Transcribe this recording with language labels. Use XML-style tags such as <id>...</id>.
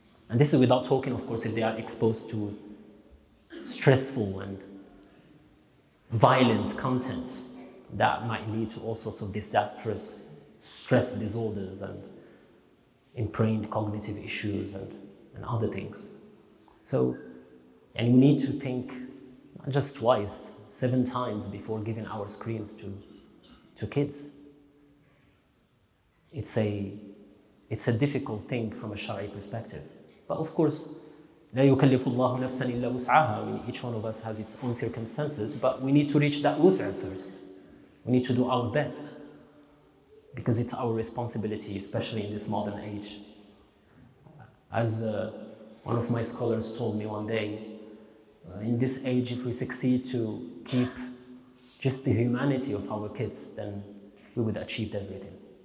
<en>And this is without talking, of course, if they are exposed to stressful and violent content that might lead to all sorts of disastrous stress disorders and ingrained cognitive issues and other things. So, and we need to think not just twice, seven times before giving our screens to kids. It's a difficult thing from a Shari'i perspective. But of course,</en> <ar>لا يكلف الله نفسا إلا وسعها.</ar> <en>Each one of us has its own circumstances, but we need to reach that وسع first. We need to do our best, because it's our responsibility, especially in this modern age. As one of my scholars told me one day, in this age, if we succeed to keep just the humanity of our kids, then we would achieve everything.</en>